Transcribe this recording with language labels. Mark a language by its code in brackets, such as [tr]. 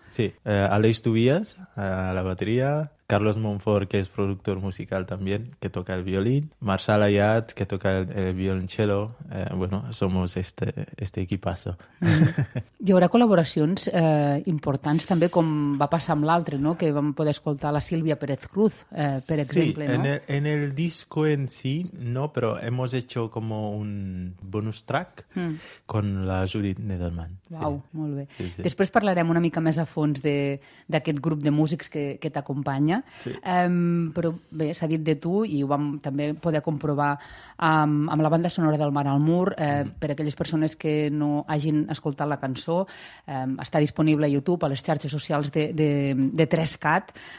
[ca] Sí, Aleix Tobias, a la bateria, Carlos Monfort, que és productor musical també, que toca el violín, Marçal Ayat, que toca el violoncello, bueno, [es] somos este equipazo. [ca] Hi haurà col·laboracions importants també, com va passar amb l'altre, no?, que vam poder escoltar la Sílvia Pérez Cruz, per sí, exemple, no? [es] Sí, en el disco en sí, no, però hemos hecho como un bonus track con la Judith Nedelman. [ca] Uau, sí. Molt bé. Sí, sí. Després parlarem una mica més a fons d'aquest grup de músics que t'acompanya. Sí. Però bé, s'ha dit de tu i ho vam també poder comprovar amb la banda sonora del Mar al Mur. Per a aquelles persones que no hagin escoltat la cançó, està disponible a YouTube, a les xarxes socials de 3CAT.